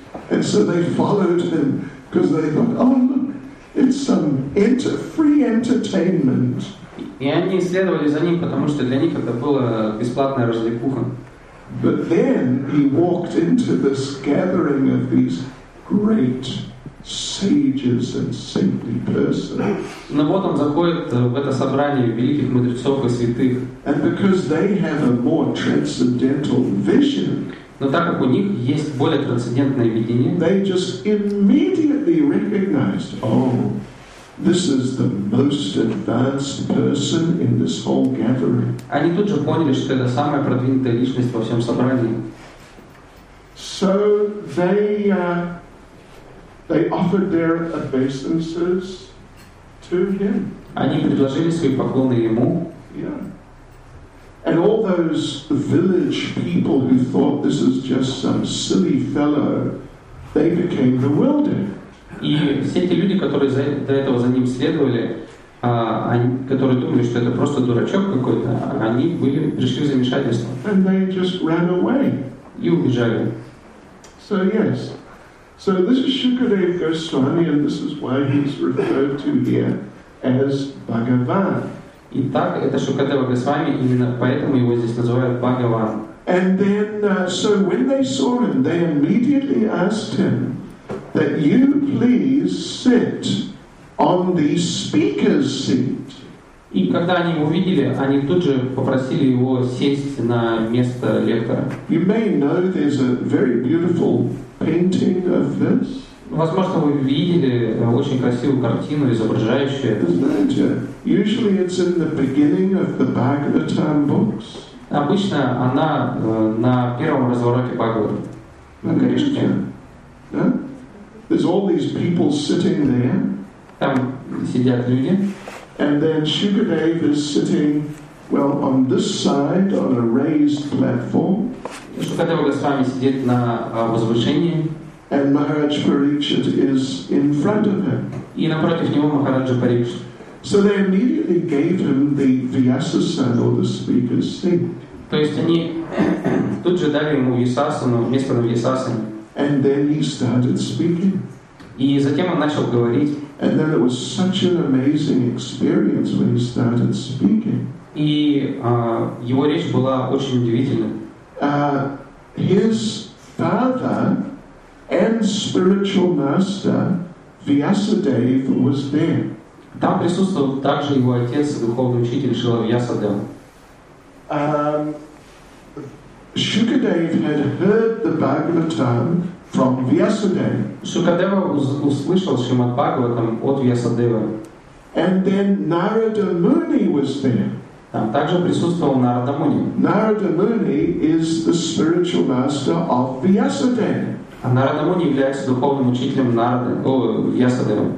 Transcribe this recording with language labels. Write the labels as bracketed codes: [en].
[en] And so they followed him because they thought, oh look, it's some free entertainment. [ru] И они следовали за ним, потому что для них это было бесплатное развлекуха. [en] But then he walked into this gathering of these great sages and saintly persons. [ru] Но вот он заходит в это собрание великих мудрецов и святых. [en] And because they have a more transcendental vision, [ru] но так как у них есть более трансцендентное видение, [en] they just immediately recognized, oh, this is the most advanced person in this whole gathering. [ru] Они тут же поняли, что это самая продвинутая личность во всем собрании. [en] So they offered their obeisances to him. [ru] Они предложили свои поклоны ему. [en] And all those village people who thought this is just some silly fellow, they became bewildered. [ru] И все эти люди, которые до этого за ним следовали, которые думали, что это просто дурачок какой-то, они были пришли в замешательство. [en] And they just ran away. [ru] И убежали. [en] So yes. So this is Shukadev Goswami, and this is why he's referred to here as Bhagavan. [ru] Итак, это Шукадева Госвами, именно поэтому его здесь называют Бхагаван. [en] And then, so when they saw him, they immediately asked him that you please sit on the speaker's seat. [ru] И когда они его увидели, они тут же попросили его сесть на место лектора. [en] You may know there's a very beautiful painting of this. [ru] Возможно, вы видели очень красивую картину, изображающую это. [en] Usually it's in the beginning of the Bhagavatam books. [ru] Обычно она на первом развороте Бхагаваты. На корешке. [en] There's all these people sitting there. [ru] Там сидят люди. [en] And then Shukadev is sitting, well, on this side, on a raised platform. [ru] Шукадева Госвами сидит на возвышении. [en] And Maharaj Parikshit is in front of him. [ru] И напротив него Махараджа Парикшит. [en] So they immediately gave him the Vyasasana, or the speaker's seat. [ru] То есть они тут же дали ему Вьясасану, место на Вьясасане. [en] And then he started speaking. [ru] И затем он начал говорить. [en] And then it was such an amazing experience when he started speaking. [ru] И его речь была очень удивительной. [en] His father and spiritual master Vyasadev was there. [ru] Там присутствовал также его отец, духовный учитель Шрила Вьясадева. [en] Shukadev had heard the Bhagavatam from Vyasadeva. [ru] Шукадева услышал Шримад Бхагаватам от Вьясадева. [en] And then Narada Muni was there. [ru] Там также присутствовал Нарада Муни. [en] Narada Muni is the spiritual master of Vyasadeva. [ru] А Нарада Муни является духовным учителем Нарады, Вьясадева.